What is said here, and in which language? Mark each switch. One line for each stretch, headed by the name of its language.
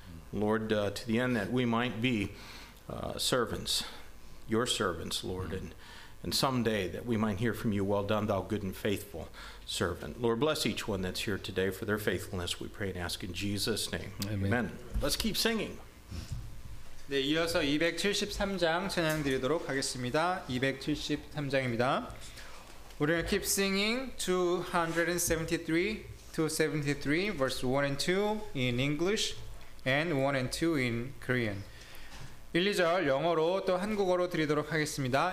English: Lord, to the end that we might be servants, your servants, Lord, and someday that we might hear from you, well done, thou good and faithful servant. Lord, bless each one that's here today for their faithfulness, we pray and ask in Jesus' name. Amen. Amen. Let's keep singing.
Korean: 네, 이어서 273장 찬양 드리도록 하겠습니다. 273장입니다.
English: We're going to keep singing 273, verse 1 and 2 in English and 1 and 2 in Korean.
Korean: 1, 2절 영어로 또 한국어로 드리도록 하겠습니다.